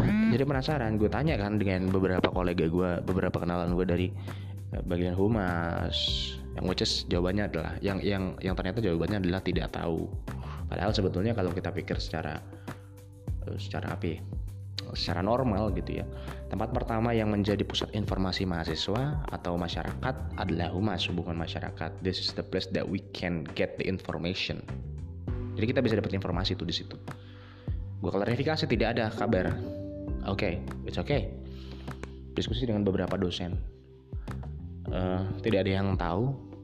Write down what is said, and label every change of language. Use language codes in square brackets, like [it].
[id] Jadi penasaran, gue tanya kan dengan beberapa kolega gue, beberapa kenalan gue dari bagian humas, yang [en] which is [id] jawabannya adalah yang ternyata jawabannya adalah tidak tahu. Padahal sebetulnya kalau kita pikir secara normal gitu ya, tempat pertama yang menjadi pusat informasi mahasiswa atau masyarakat adalah humas, hubungan masyarakat. [en] This is the place that we can get the information. [id] Jadi kita bisa dapat informasi itu di situ. Gua klarifikasi, tidak ada kabar. [en] Okay, it's okay. [id] Diskusi dengan beberapa dosen, tidak ada yang tahu.